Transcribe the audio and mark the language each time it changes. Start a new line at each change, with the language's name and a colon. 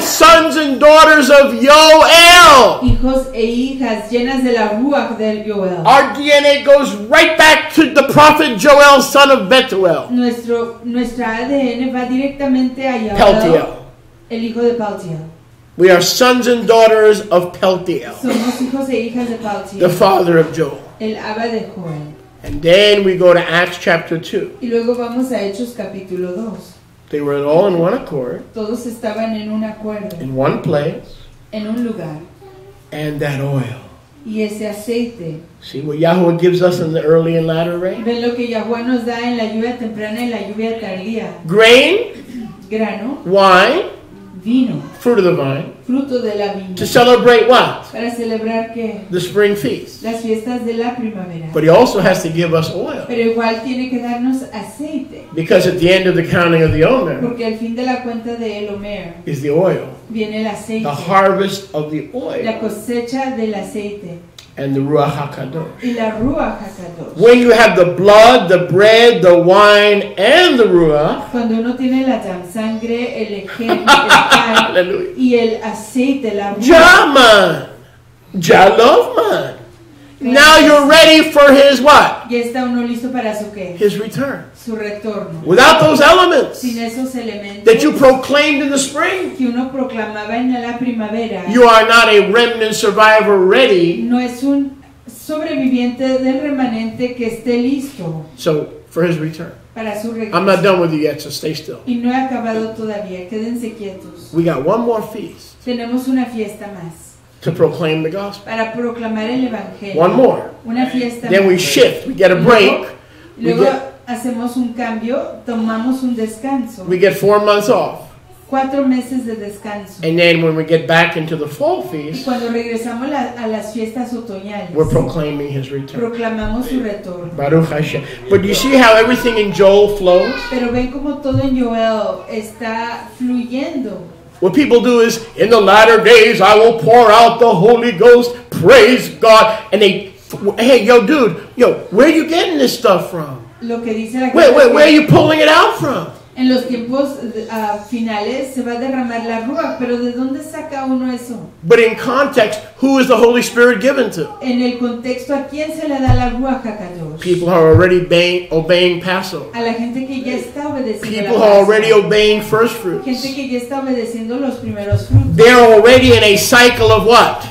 English: Sons and daughters of Yoel.
Spanish: Hijos e hijas llenas de la Ruach del Yoel.
English: Our DNA goes right back to the prophet Joel, son of Betuel.
Spanish: Nuestra ADN va directamente a Yoel. El hijo de Paltiel.
English: We are sons and daughters of Paltiel.
Spanish: Somos hijos e hijas de Paltiel.
English: The father of Joel.
Spanish: El Abba de Joel.
English: And then we go to Acts chapter 2.
Spanish: Y luego vamos a Hechos capítulo 2.
English: They were all in one accord.
Spanish: Todos estaban en un acuerdo.
English: In one place.
Spanish: En un lugar.
English: And that oil.
Spanish: Y ese aceite.
English: See what Yahuwah gives us in the early and latter rain.
Spanish: Ven lo que Yahuwah nos da en la lluvia temprana y la lluvia tardía.
English: Grain.
Spanish: Grano.
English: Wine.
Spanish: vino.
English: Fruit of the vine.
Spanish: Fruto de la viña.
English: To celebrate what?
Spanish: Para celebrar qué?
English: The spring feast.
Spanish: Las fiestas de la primavera.
English: But he also has to give us oil.
Spanish: Pero igual tiene que darnos aceite.
English: Because at the end of the counting of the Omer.
Spanish: Porque al fin de la cuenta de el Omer.
English: Is the oil.
Spanish: Viene el aceite.
English: The harvest of the oil.
Spanish: La cosecha del aceite.
English: And the Ruach HaKadosh.
Spanish: Y la Ruach HaKadosh.
English: When you have the blood, the bread, the wine, and the Ruach.
Spanish: Cuando uno tiene la sangre, el ejemplo, el pan, y el aceite, la Ruach. Jaman. Jalofman.
English: Now you're ready for his what?
Spanish: Ya está uno listo para su qué?
English: His return.
Spanish: Su retorno.
English: Without those elements.
Spanish: Sin esos elementos.
English: That you proclaimed in the spring.
Spanish: Que uno proclamaba en la primavera.
English: You are not a remnant survivor ready.
Spanish: No es un sobreviviente del remanente que esté listo.
English: So, for his return.
Spanish: Para su regreso.
English: I'm not done with you yet, so stay still.
Spanish: Y no he acabado todavía. Quédense quietos.
English: We got one more feast.
Spanish: Tenemos una fiesta más.
English: To proclaim the gospel.
Spanish: Para proclamar el evangelio.
English: One more.
Spanish: Una fiesta.
English: Then we shift. We get a break.
Spanish: Luego hacemos un cambio. Tomamos un descanso.
English: We get 4 months off.
Spanish: 4 meses de descanso.
English: And then when we get back into the fall feast.
Spanish: Y cuando regresamos a las fiestas otoñales.
English: We're proclaiming his return.
Spanish: Proclamamos su retorno.
Hebrew: Baruch Hashem.
English: But you see how everything in Joel flows?
Spanish: Pero ven como todo en Joel está fluyendo.
English: What people do is, in the latter days, I will pour out the Holy Ghost, praise God. And they, hey, yo, dude, yo, where are you getting this stuff from?
Spanish: Lo que dice la
English: wait, where are you pulling it out from?
Spanish: En los tiempos finales se va a derramar la Ruach, pero ¿de dónde saca uno eso?
English: But in context, who is the Holy Spirit given to?
Spanish: En el contexto, ¿a quién se le da la Ruach a Dios?
English: People are already obeying Passover.
Spanish: A la gente que ya está obedeciendo.
English: People are already obeying first fruits.
Spanish: Gente que ya está obedeciendo los primeros frutos.
English: They're already in a cycle of what?